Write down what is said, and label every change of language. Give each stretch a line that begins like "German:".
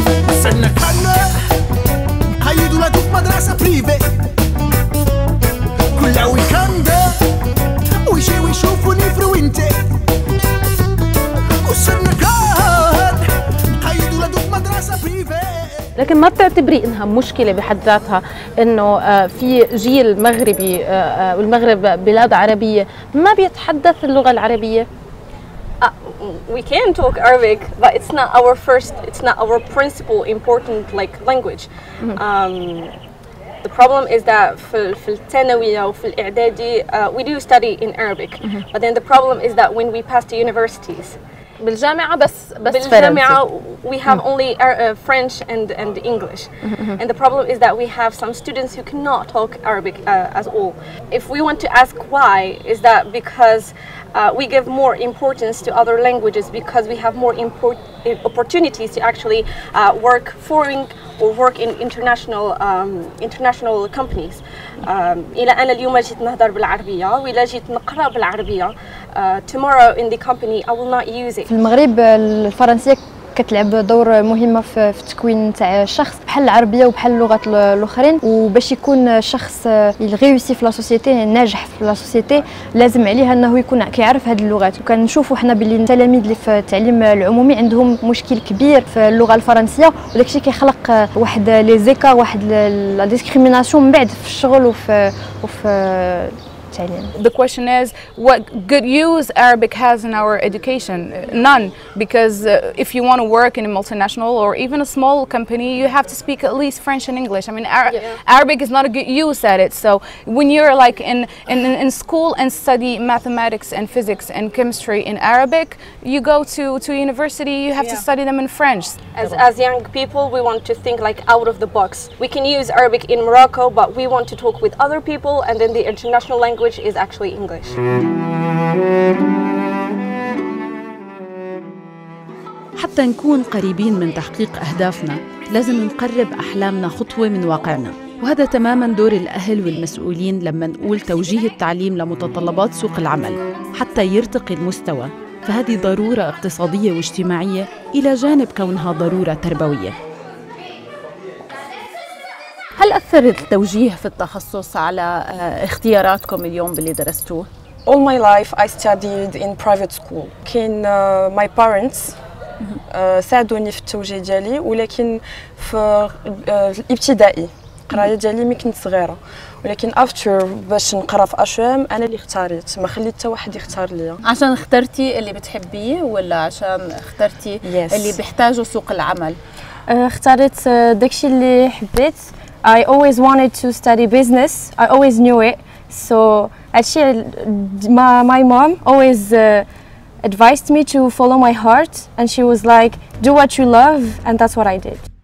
Arabic: سنة كنا قيدوا لدوك مدرسة بريفي كل ويكاند ويجي ويشوفوني فروينتي وصرنا قاد قايد ولادو في مدرسة بريفي. لكن ما بتعتبري انها مشكلة بحد ذاتها انه في جيل مغربي والمغرب بلاد عربية ما بيتحدث اللغة العربية؟
English: We can talk Arabic but it's not our first, it's not our principal important like language. The problem is that
Arabic: في الثانوية أو في الإعدادي
English: we do study in Arabic. But then the problem is that when we pass to universities
Arabic: بالجامعة بس بالجامعة
English: we have only French and English. And the problem is that we have some students who cannot talk Arabic at all. If we want to ask why, is that because we give more importance to other languages because we have more opportunities to actually work foreign or work in international international companies.
Arabic: إلى أنا اليوم جيت نهضر بالعربية وإلى جيت نقرأ بالعربية.
English: Tomorrow in the company I will not use it.
Arabic: في المغرب الفرنسية كتلعب دور مهمة في تكوين تاع الشخص بحال العربية وبحال اللغات الأخرين، وباش يكون شخص
French: يغيوسي في لاسوسيتي
Arabic: ناجح
French: في لاسوسيتي
Arabic: لازم عليه أنه يكون كيعرف هاد اللغات. وكنشوفوا حنا باللي التلاميذ اللي في التعليم العمومي عندهم مشكل كبير في اللغة الفرنسية، وداك الشيء كيخلق واحد
French: لي زيكا،
Arabic: واحد
French: لا ديسكريميناسيون
Arabic: من بعد في الشغل وفي
English: The question is, what good use Arabic has in our education? None, because if you want to work in a multinational or even a small company, you have to speak at least French and English. I mean, Arabic is not a good use at it. So when you're like in school and study mathematics and physics and chemistry in Arabic, you go to university, you have to study them in French. As young people, we want to think like out of the box. We can use Arabic in Morocco, but we want to talk with other people, and then the international language which is actually English.
Arabic: حتى نكون قريبين من تحقيق أهدافنا لازم نقرب أحلامنا خطوة من واقعنا، وهذا تماماً دور الأهل والمسؤولين لما نقول توجيه التعليم لمتطلبات سوق العمل حتى يرتقي المستوى، فهذه ضرورة اقتصادية واجتماعية إلى جانب كونها ضرورة تربوية. هل أثر التوجيه في التخصص على اختياراتكم اليوم باللي درستوه؟
English: All my life I studied in private school.
Arabic: كان
English: my parents
Arabic: ساعدوني في التوجيه ديالي، ولكن في الابتدائي قرايه ديالي ملي كنت صغيره، ولكن
English: after
Arabic: باش نقرا في اشام انا اللي اختاريت، ما خليت حتى واحد يختار ليا. عشان اخترتي اللي بتحبيه ولا عشان اخترتي اللي بيحتاجه سوق العمل؟ اختاريت داكشي اللي حبيت.
English: I always wanted to study business. I always knew it. So actually, my mom always advised me to follow my heart, and she was like, "Do what you love," and that's what I did.